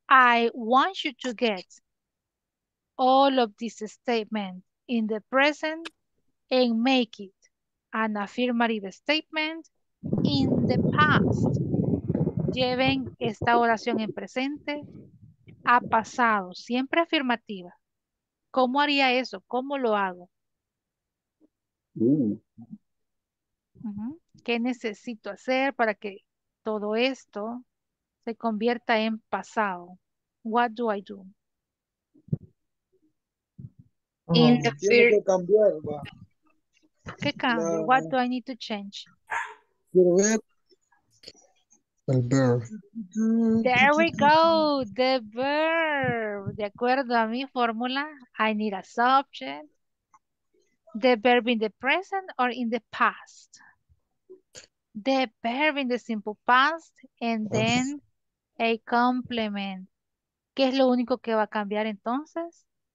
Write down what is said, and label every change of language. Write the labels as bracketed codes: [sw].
[en] I want you to get all of this statement in the present and make it an affirmative statement in the past. [es] Lleven esta oración en presente a pasado, siempre afirmativa. ¿Cómo haría eso? ¿Cómo lo hago? ¿Qué necesito hacer para que todo esto se convierta en pasado? [en] What do I do? [es] Tiene que cambiar, ¿va? ¿Qué cambio? [en] What do I need to change? [es] Quiero ver el verb. [en] There we go, the verb. [es] De acuerdo a mi fórmula, [en] I need a subject. The verb in the present or in the past. The verb in the simple past and then a complement. [es] ¿Qué es lo único que va a cambiar entonces?